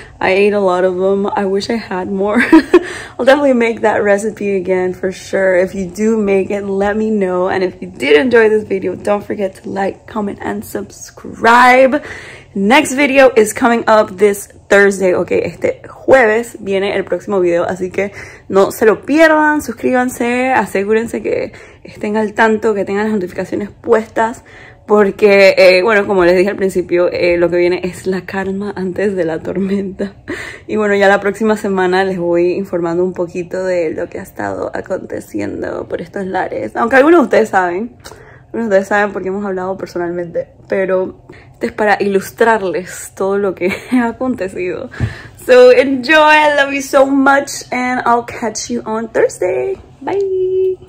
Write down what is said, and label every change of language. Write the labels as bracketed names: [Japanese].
[English] I ate a lot of them. I wish I had more. I'll definitely make that recipe again for sure. If you do make it, let me know. And if you did enjoy this video, don't forget to like, comment, and subscribe. Next video is coming up this Thursday, okay? [Spanish] Este jueves viene el próximo video, así que no se lo pierdan. Suscríbanse, asegúrense que estén al tanto, que tengan las notificaciones puestas. Porque, bueno, como les dije al principio, lo que viene es la calma antes de la tormenta. Y bueno, ya la próxima semana les voy informando un poquito de lo que ha estado aconteciendo por estos lares. Aunque algunos de ustedes saben porque hemos hablado personalmente. Pero esto es para ilustrarles todo lo que ha acontecido. [English] So enjoy, I love you so much, and I'll catch you on Thursday. Bye.